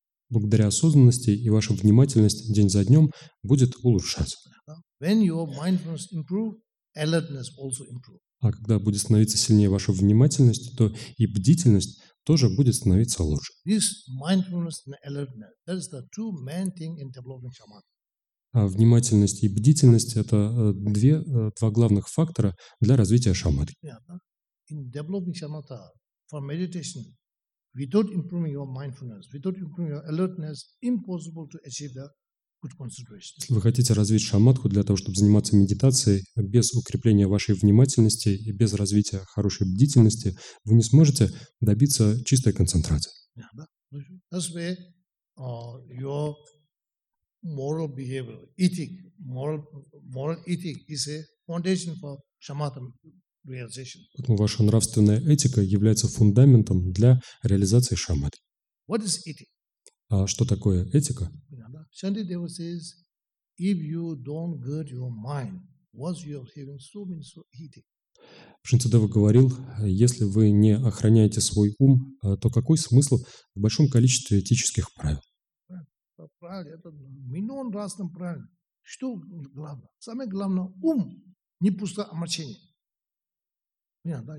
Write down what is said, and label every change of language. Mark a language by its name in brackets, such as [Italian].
[Russian] Благодаря осознанности и ваша внимательность день за днем будет улучшаться. А когда будет становиться сильнее ваша внимательность, то и бдительность тоже будет становиться лучше. [English] This mindfulness and alertness, that is the two main thing in developing shamanic. [Russian] Внимательность и бдительность – это два главных фактора для развития шамадхи. [English] In developing shamatha, for meditation, without improving your mindfulness, without improving your alertness, impossible to achieve the good concentration. [Russian] Если вы хотите развить шамадху для того, чтобы заниматься медитацией, без укрепления вашей внимательности и без развития хорошей бдительности, вы не сможете добиться чистой концентрации. [English] That's where your moral behavior, ethic, moral ethic is a foundation for shamatha realization. [Russian] Поэтому ваша нравственная этика является фундаментом для реализации шамадхи. [English] What is ethic? [Russian] А что такое этика? [English] Shantideva says, if you don't guard your mind, what you are having so many so ethic. [Russian] Шантидева говорил, если вы не охраняете свой ум, то какой смысл в большом количестве этических правил? Правильно, это миллион раз там правильно. Что главное? Самое главное – ум, не пустое омрачение. Понятно, да?